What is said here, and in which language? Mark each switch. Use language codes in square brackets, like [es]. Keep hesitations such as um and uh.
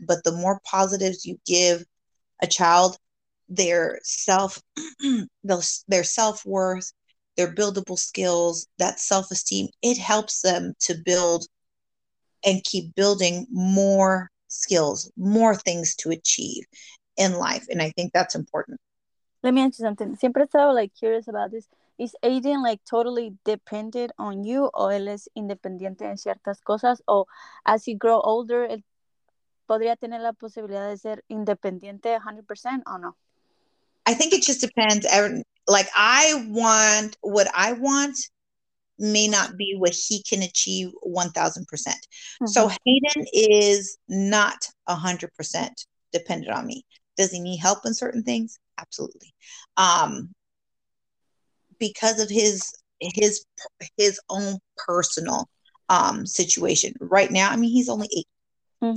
[en] But the more positives you give a child, their self their self-worth, their buildable skills, that self-esteem, it helps them to build and keep building more skills, more things to achieve in life. And I think that's important let me ask you something. [es] Siempre estaba [en] like curious about this. Is Aiden like totally dependent on you [es] o él es independiente en ciertas cosas o [en] as he grow older [es] él podría tener la posibilidad de ser independiente 100% o no? [en] I think it just depends. Like I want what I want may not be what he can achieve 1000%. Mm-hmm. So Hayden is not 100% dependent on me. Does he need help in certain things? absolutely um, because of his his his own personal um, situation right now i mean he's only 8 mm-hmm.